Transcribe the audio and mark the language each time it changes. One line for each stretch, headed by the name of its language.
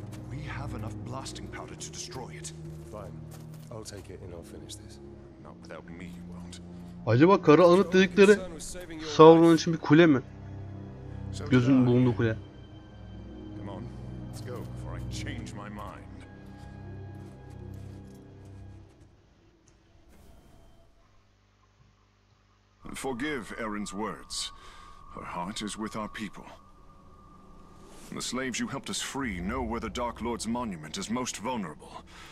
English: We have enough blasting powder to destroy it. Fine. I'll take it and I'll finish this. Not without me you won't.
Turkish: Acaba kara anıt dedikleri Sauron için bir kule mi? Gözünün bulunduğu kule.
English: Come on. Let's go before I change my mind. Forgive Eren's words. Her heart is with our people. The slaves you helped us free know where the Dark Lord's monument is most vulnerable.